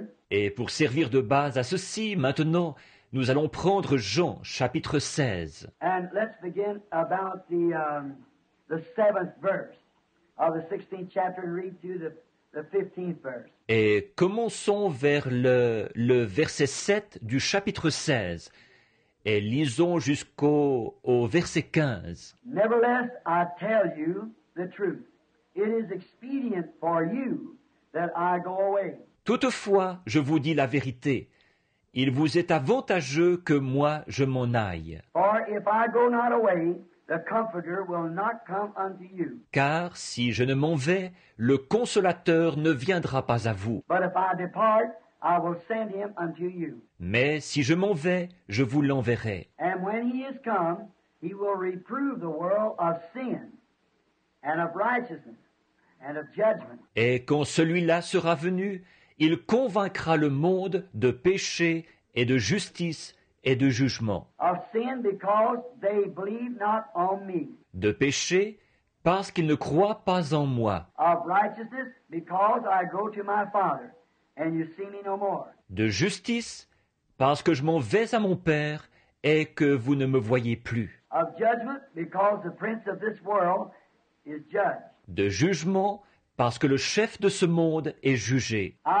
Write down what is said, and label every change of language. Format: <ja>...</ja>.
<fr>Et pour servir de base à ceci, maintenant, nous allons prendre Jean, chapitre 16.</fr> <en>And let's begin about the seventh verse of the 16th chapter and read through the 15th verse.</en> <fr>Et commençons vers le verset 7 du chapitre 16 et lisons jusqu'au verset 15.</fr> <en>Nevertheless, I tell you the truth. It is expedient for you that I go away.</en> <fr>Toutefois, je vous dis la vérité. Il vous est avantageux que moi je m'en aille.</fr> <en>For if I go not away, the Comforter will not come unto you.</en> <fr>Car si je ne m'en vais, le Consolateur ne viendra pas à vous.</fr> <en>But if I depart, I will send him unto you.</en> <fr>Mais si je m'en vais, je vous l'enverrai.</fr> <en>And when he is come, he will reprove the world of sin and of righteousness and of judgment.</en> <fr>Et quand celui-là sera venu, il convaincra le monde de péché et de justice et de jugement.</fr> <en>Of sin because they believe not on me.</en> <fr>De péché parce qu'ils ne croient pas en moi.</fr> <en>Of righteousness because I go to my Father and you see me no more.</en> <fr>De justice parce que je m'en vais à mon Père et que vous ne me voyez plus.</fr> <en>Of judgment because the prince of this world is judged.</en> <fr>De jugement parce que le chef de ce monde est jugé.</fr>